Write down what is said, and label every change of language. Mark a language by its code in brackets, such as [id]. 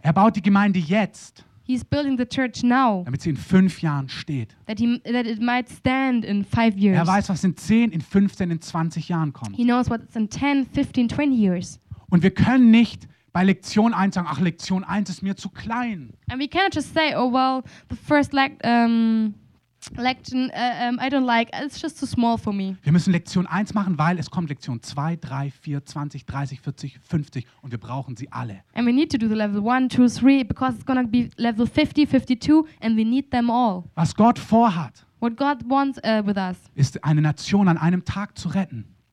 [de] Er baut die Gemeinde jetzt. [en] He's building the church now. [de] Damit sie in 5 Jahren steht. [en] That it might stand in 5 years. [de] Er weiß, was in 10, in 15, in 20 Jahren kommt. [en] He knows what's in 10, 15, 20 years. [de] Und wir können nicht bei Lektion 1 sagen, ach, Lektion 1 ist mir zu klein. [en] And we cannot just say, oh well, the first lection I don't like, it's just too small for me. [de] Wir müssen Lektion 1 machen, weil es kommt Lektion 2, 3, 4, 20, 30, 40, 50 und wir brauchen sie alle. [en] And we need to do the level 1, 2, 3 because it's gonna be level 50, 52 and we need them all. [de] Was Gott vorhat, [en] what God wants with us, [de] ist eine Nation an einem Tag zu retten.